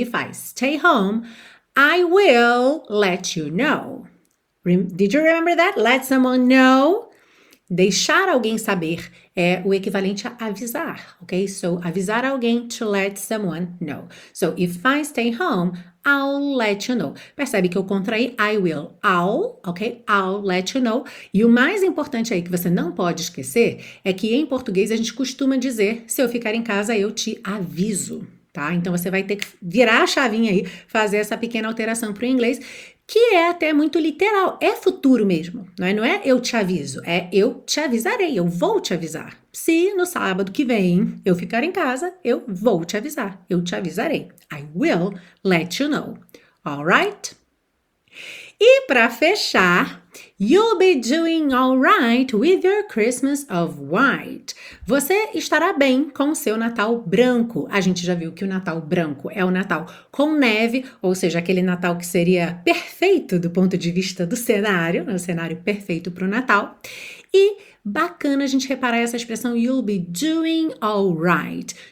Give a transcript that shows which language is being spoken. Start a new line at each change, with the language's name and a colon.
English: If I stay home, I will let you know. Did you remember that? Let someone know.
Portuguese: Deixar alguém saber é o equivalente a avisar, ok?
English: So,
Portuguese: avisar alguém,
English: to let someone know. So, if I stay home, I'll let you know.
Portuguese: Percebe que eu contraí I will, I'll, ok?
English: I'll let you know.
Portuguese: E o mais importante aí que você não pode esquecer é que em português a gente costuma dizer: se eu ficar em casa, eu te aviso, tá? Então, você vai ter que virar a chavinha aí, fazer essa pequena alteração para o inglês. Que é até muito literal, é futuro mesmo, não é? Não é eu te aviso, é eu te avisarei, eu vou te avisar. Se no sábado que vem eu ficar em casa, eu vou te avisar, eu te avisarei.
English: I will let you know. All right?
Portuguese: E para fechar,
English: you'll be doing all right with your Christmas of white.
Portuguese: Você estará bem com o seu Natal branco. A gente já viu que o Natal branco é o Natal com neve, ou seja, aquele Natal que seria perfeito do ponto de vista do cenário, né? O cenário perfeito para o Natal. E bacana a gente reparar essa expressão
English: you'll be doing all right.